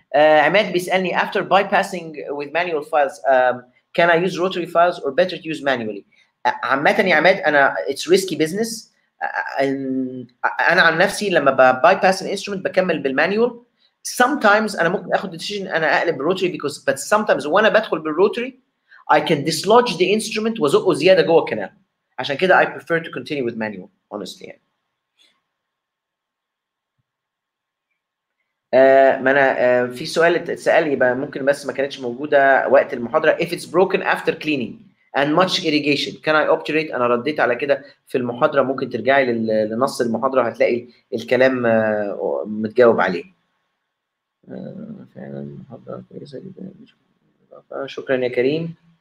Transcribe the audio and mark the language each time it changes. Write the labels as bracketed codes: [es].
[en] عماد [ar] بيسالني [en] after bypassing with manual files can I use rotary files or better to use manually. [ar] عامه يا عماد انا [en] it's risky business. [ar] انا عن نفسي لما [en] bypass an instrument [ar] بكمل بالmanual. [en] Sometimes [ar] انا ممكن اخد [en] decision [ar] انا اقلب بالروتري [en] because but sometimes when I [ar] بدخل بالروتري [en] I can dislodge the instrument [ar] وازقه زياده جوه الكنال. عشان كده [en] I prefer to continue with manual honestly. [ar] ما انا في سؤال اتسال يبقى ممكن بس ما كانتش موجوده وقت المحاضره. [en] If it's broken after cleaning and much irrigation can I obturate. [ar] انا رديت على كده في المحاضره، ممكن ترجعي لنص المحاضره هتلاقي الكلام متجاوب عليه. فعلا محاضرة كويسة جدا، شكرا يا كريم.